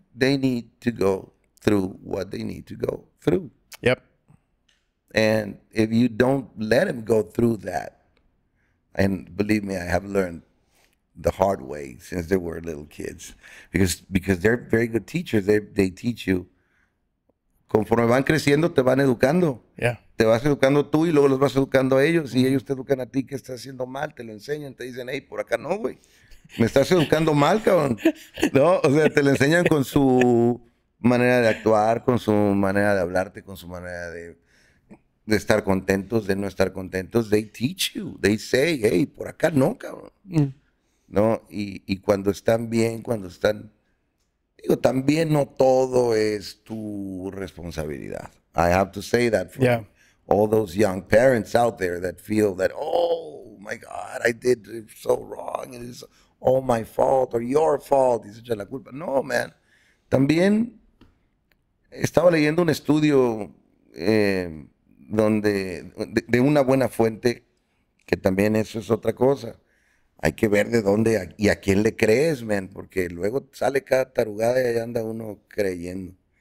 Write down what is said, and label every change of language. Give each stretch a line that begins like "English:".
English: They need to go through what they need to go through. Yep. And if you don't let them go through that, and believe me, I have learned the hard way since they were little kids, because they're very good teachers. They teach you.
Spanish: Conforme van creciendo, te van educando.
English: Yeah.
Spanish: Te vas educando tú y luego los vas educando a ellos. Y ellos te educan a ti que estás haciendo mal. Te lo enseñan. Te dicen, hey, por acá no, güey. Me estás educando mal, cabrón. No, o sea, te lo enseñan con su manera de actuar, con su manera de hablarte, con su manera de estar contentos, de no estar contentos.
English: They teach you. They say, hey,
Spanish: por acá no, cabrón.
English: Mm.
Spanish: No, y cuando están bien, cuando están... Digo, también no todo es tu responsabilidad.
English: I have to say that for all those young parents out there that feel that, oh, my God, I did it so wrong. It is all my fault or your fault.
Spanish: Es la culpa. No, man. También estaba leyendo un estudio donde de una buena fuente, que también eso es otra cosa. Hay que ver de dónde y a quién le crees, man, porque luego sale cada tarugada y ahí anda uno creyendo.